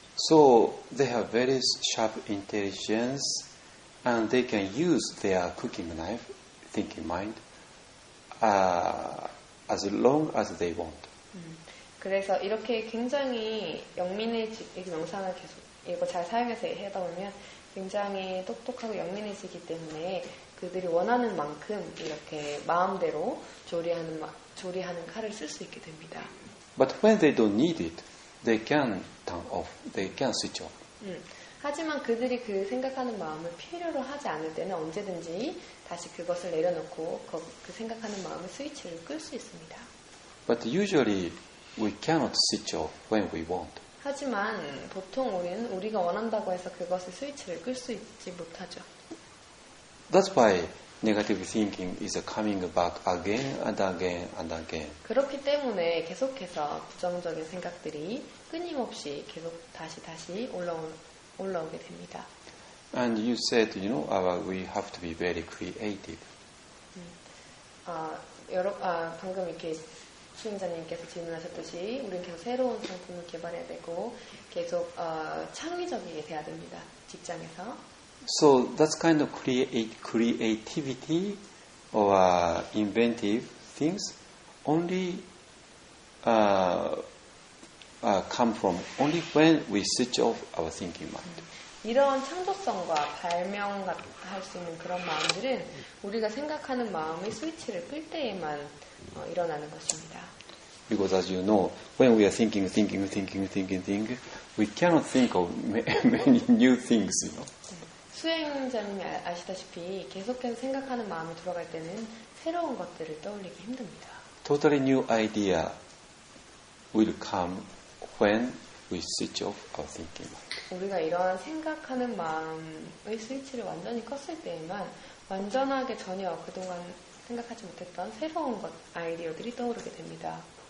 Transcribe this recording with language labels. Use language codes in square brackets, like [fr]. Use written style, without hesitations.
[en] So they have very sharp intelligence and they can use their cooking knife, thinking mind, as long as they want. [ko] 그래서 이렇게 굉장히 영민해지고 명상을 계속 이거 잘 사용해서 하다 보면 굉장히 똑똑하고 영민해지기 때문에 그들이 원하는 만큼 이렇게 마음대로 조리하는 칼을 쓸 수 있게 됩니다. [en] But when they don't need it, they can turn off, they can switch off. [ko] 하지만 그들이 그 생각하는 마음을 필요로 하지 않을 때는 언제든지 다시 그것을 내려놓고 그 생각하는 마음의 스위치를 끌 수 있습니다. [en] But usually we cannot switch off when we want. [ko] 하지만 보통 우리는 우리가 원한다고 해서 그것의 스위치를 끌 수 있지 못하죠. [en] That's why negative thinking is coming back again and again and again. [ko] 그렇기 때문에 계속해서 부정적인 생각들이 끊임없이 계속 다시 올라오게 됩니다. [en] And you said, you know, we have to be very creative. [ko] 방금 이렇게 수행자님께서 질문하셨듯이 우리는 계속 새로운 상품을 개발해야 되고 계속 창의적이게 돼야 됩니다. 직장에서. [en] So that's kind of creativity or inventive things only come from only when we switch off our thinking mind. [ko] 이런 창조성과 발명할 수 있는 그런 마음들은 우리가 생각하는 마음의 스위치를 끌 때에만 일어나는 것입니다. [en] Because as you know, when we are thinking, we cannot think of many new things, you know. [ko] 수행자님이 아시다시피 계속해서 생각하는 마음이 들어갈 때는 새로운 것들을 떠올리기 힘듭니다. [en] Totally new idea will come when we switch off our thinking mind. [ko] 우리가 이러한 생각하는 마음의 스위치를 완전히 껐을 때에만 완전하게 전혀 그동안 생각하지 못했던 새로운 것 아이디어들이 떠오르게 됩니다.